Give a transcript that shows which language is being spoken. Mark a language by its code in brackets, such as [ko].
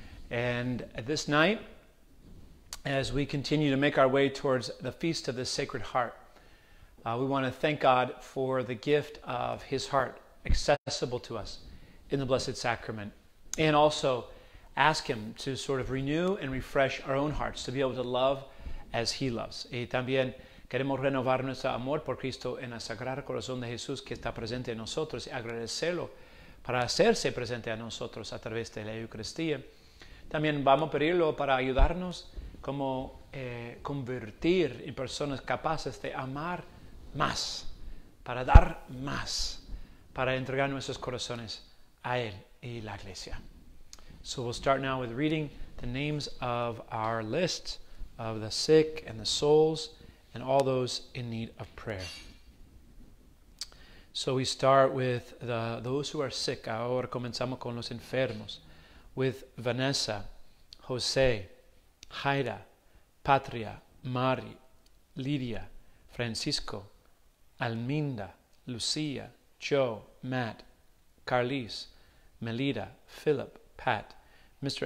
[en] And this night, as we continue to make our way towards the Feast of the Sacred Heart, we want to thank God for the gift of His heart accessible to us in the Blessed Sacrament, and also ask Him to sort of renew and refresh our own hearts to be able to love as He loves. [es] Y también queremos renovar nuestro amor por Cristo en el Sagrado Corazón de Jesús que está presente en nosotros y agradecerlo para hacerse presente a nosotros a través de la Eucaristía. También vamos a pedirlo para ayudarnos como convertir en personas capaces de amar más, para dar más, para entregar nuestros corazones a Él y la Iglesia. [en] So we'll start now with reading the names of our list of the sick and the souls and all those in need of prayer. So we start with those who are sick. [es] Ahora comenzamos con los enfermos. With Vanessa, José, Jaira, Patria, Mari, Lidia, Francisco, Alminda, Lucia, Joe, Matt, Carlis, Melida, Philip, Pat, Mr.